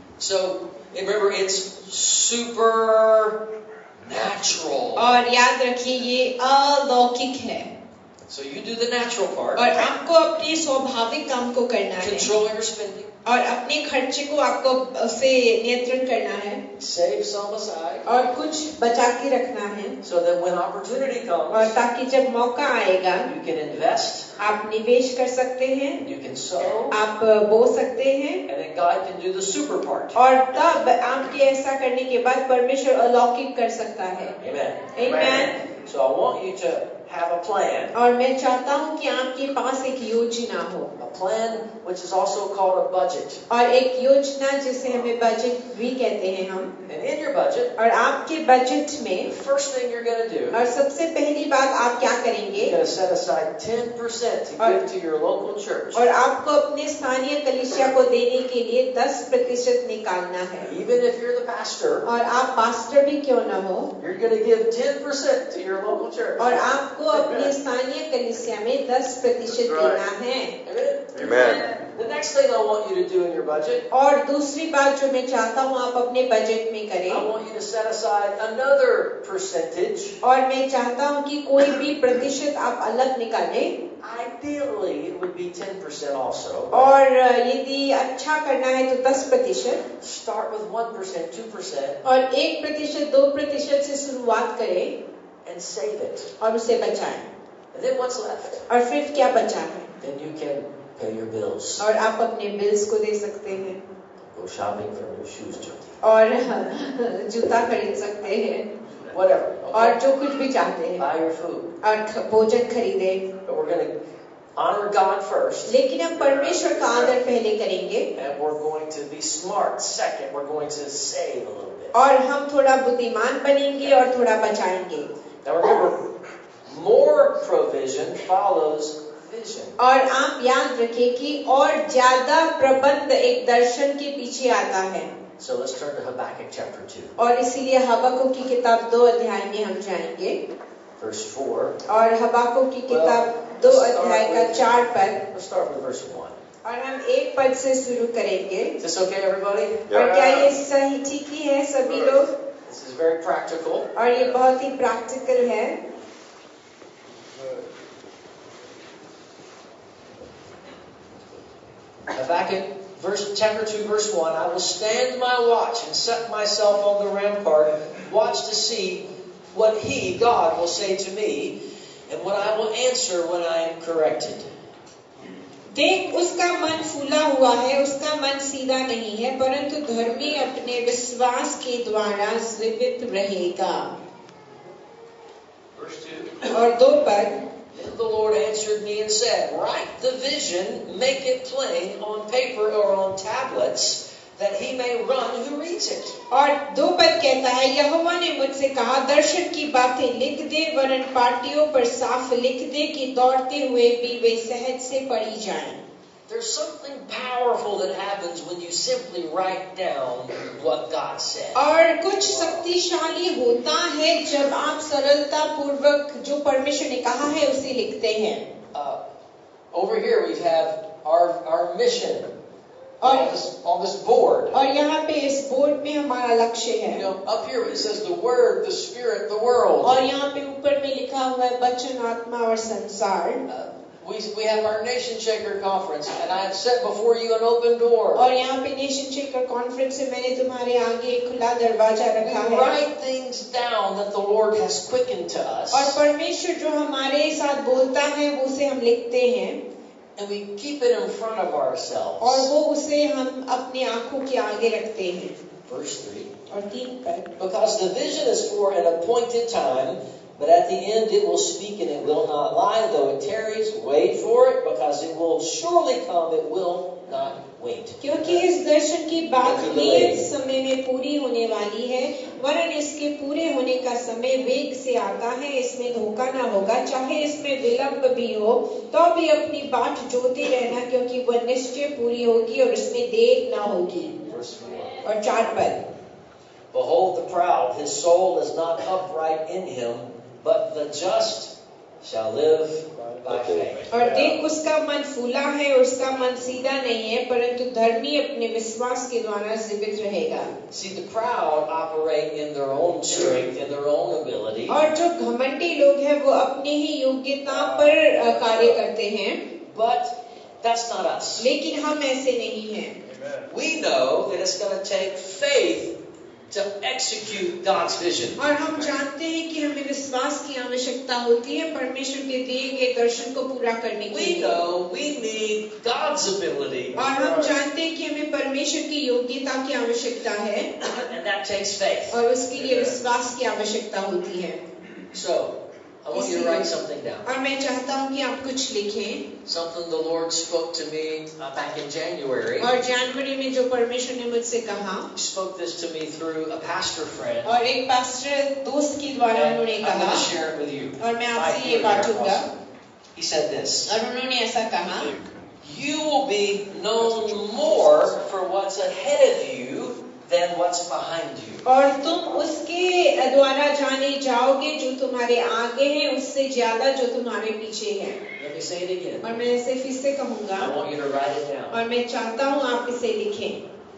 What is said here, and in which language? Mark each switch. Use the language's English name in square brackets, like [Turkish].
[English] So, And remember, it's supernatural. [Hindi] और याद रखिए ये अलौकिक है. [English] So you do the natural part. [Hindi] और आपको अपने स्वाभाविक काम को करना है. [English] Control your spending. [Hindi] और अपने खर्चे को आपको उसे नियंत्रण करना है. [English] Save some aside. [Hindi] और कुछ बचा के रखना है. [English] So that when opportunity comes. [Hindi] और ताकि जब मौका आएगा. [English] You can invest. [Hindi] आप निवेश कर सकते हैं [English] you can sow, [Hindi] आप बो सकते हैं [English] and then God can do the super part. [Hindi] और तब आपके ऐसा करने के बाद परमेश्वर अलौकिक कर सकता है [English] Amen. Amen. Amen. So I want you to have a plan. [Hindi] और मैं चाहता हूँ कि आपके पास एक योजना हो [English] a plan which is also called a budget. [Hindi] और एक योजना जिसे हमें बजट भी कहते हैं हम [English] and in your budget, [Hindi] और आपके बजट में [English] the first thing you're gonna do, [Hindi] और सबसे पहली बात आप क्या करेंगे और आपको अपने स्थानीय कलीसिया को देने के लिए 10% निकालना है [English] Even if you're the pastor, [Hindi] और आप पास्टर भी क्यों ना हो [English] you're gonna give 10% to your local church. [Hindi] और आपको अपने स्थानीय कलीसिया में 10% देना है [English] Amen. The next thing I want you to do in your budget. [Hindi] और दूसरी बात जो मैं चाहता हूँ आप अपने बजट में करें. [English] I want you to set aside another percentage. [Hindi] और मैं चाहता हूँ कि कोई भी प्रतिशत आप अलग निकालें. [English] Ideally, it would be 10% also. [Hindi] और यदि अच्छा करना है तो 10%. [English] Start with 1%, 2%. [Hindi] और 1%, 2% से शुरुआत करें. [English] And save it. [Hindi] और उसे बचाएं. [English] Then what's left? [Hindi] और फिर क्या बचा है? [English] Then you can Pay your bills. [Hindi] और आप अपने बिल्स को दे सकते हैं. [English] Go shopping for new shoes, Jyoti. [Hindi] और जूता खरीद सकते हैं. [English] Whatever. Okay. [Hindi] और जो कुछ भी चाहते हैं. [English] Buy your food. [Hindi] और भोजन खरीदें. [English] But we're going to honor God first. [Hindi] लेकिन हम परमेश्वर का आदर पहले करेंगे. [English] And we're going to be smart. Second, we're going to save a little bit. [Hindi] और हम थोड़ा बुद्धिमान बनेंगे और थोड़ा बचाएंगे. [English] Now remember, more provision follows vision. [Hindi] और आप याद रखें कि और ज्यादा प्रबंध एक दर्शन के पीछे आता है. [English] So let's turn to Habakkuk chapter 2. [Hindi] और इसीलिए हबाकुक की किताब 2 अध्याय में हम जाएंगे. [English] Verse 4. [Hindi] और हबाकुक की किताब 2 अध्याय का 4 पद. [English] Let's start with verse 1. [Hindi] और हम एक पद से शुरू करेंगे. [English] Is this okay, everybody? Yeah. [Hindi] और क्या ये सही ठीक ही है सभी लोग? [English] This is very practical. [Hindi] और ये बहुत ही प्रैक्टिकल है. [English] Habakkuk. Verse chapter 2, verse 1, I will stand my watch and set myself on the rampart and watch to see what he, God, will say to me and what I will answer when I am corrected. [Hindi] देख उसका मन फूला हुआ है, उसका मन सीधा नहीं है, परंतु धर्मी अपने विश्वास के द्वारा जीवित रहेगा. [English] Verse 2. [Hindi] और दो पद. [English] Then the Lord answered me and said, Write the vision, make it plain on paper or on tablets, that he may run who reads it. [Hindi] और दो पद कहता है, यहोवा ने मुझसे कहा, दर्शन की बातें लिख दे, वरन पाटियों पर साफ लिख दे कि दौड़ते हुए भी वे सहज से पढ़ी जाएं. [English] There's something powerful that happens when you simply write down what God said. [Hindi] और कुछ शक्तिशाली होता है जब आप सरलता पूर्वक जो परमेश्वर ने कहा है उसे लिखते हैं. [English] Over here we have our mission. On this board. [Hindi] और यहाँ पे इस बोर्ड में हमारा लक्ष्य है. [English] You know, up here it says the word, the spirit, the world. [Hindi] और यहाँ पे ऊपर में लिखा हुआ है वचन, आत्मा और संसार. [English] We have our Nation Shaker Conference, and I have set before you an open door. [Hindi] और यहाँ पे Nation Shaker Conference में मैंने तुम्हारे आगे एक खुला दरवाजा रखा है. [English] We write things down that the Lord has quickened to us. [Hindi] और परमेश्वर जो हमारे साथ बोलता है वो उसे हम लिखते हैं. [English] And we keep it in front of ourselves. [Hindi] और वो उसे हम अपनी आँखों के आगे रखते हैं. [English] Verse 3. [Hindi] और 3 पर. [English] Because the vision is for an appointed time. But at the end it will speak and it will not lie, though it tarries, wait for it, because it will surely come, it will not wait. [Hindi] क्योंकि इस दर्शन की बात नियत समय में पूरी होने वाली है, वरन इसके पूरे होने का समय वेग से आता है, इसमें धोखा ना होगा, चाहे इसमें विलंब भी हो, तो भी अपनी बात जोते रहना, क्योंकि वह निश्चय पूरी होगी और इसमें देर ना होगी. और 4 पद. [English] Behold the proud, his soul is not upright in him, but the just shall live by faith. [Hindi] और देख उसका मन फूला है और उसका मन सीधा नहीं है, परंतु धर्मी अपने विश्वास के द्वारा जीवित रहेगा. [English] See, the proud operate in their own strength, in their own ability. [Hindi] और जो घमंडी लोग हैं वो अपनी ही योग्यता पर कार्य करते हैं. [English] But that's not us. [Hindi] लेकिन हम ऐसे नहीं हैं. [English] We know that it's going to take faith to execute God's vision. [Hindi] और हम जानते हैं कि हमें विश्वास की आवश्यकता होती है परमेश्वर के दिए गए दर्शन को पूरा करने के लिए. [English] We know we need God's ability. [Hindi] और हम जानते हैं कि हमें परमेश्वर की योग्यता की आवश्यकता है. [English] And that takes faith. [Hindi] और उसके लिए विश्वास की आवश्यकता होती है. [English] So, I want you to write something down. [Hindi] और मैं चाहता हूँ कि आप कुछ लिखें. [English] Something the Lord spoke to me back in January. [Hindi] और जनवरी में जो परमेश्वर ने मुझसे कहा. [English] He spoke this to me through a pastor friend. [Hindi] और एक पास्टर दोस्त के द्वारा उन्होंने कहा. [English] I'm going to share it with you. [Hindi] और मैं आपसे ये बांटूंगा. [English] He said this. [Hindi] और उन्होंने ऐसा कहा. [English] You will be known more for what's ahead of you than what's behind you. [Hindi] और तुम उसके द्वारा जाने जाओगे जो तुम्हारे आगे है उससे ज्यादा जो तुम्हारे पीछे है. और मैं इसे फिर से कहूंगा. और मैं चाहता हूँ आप इसे लिखें.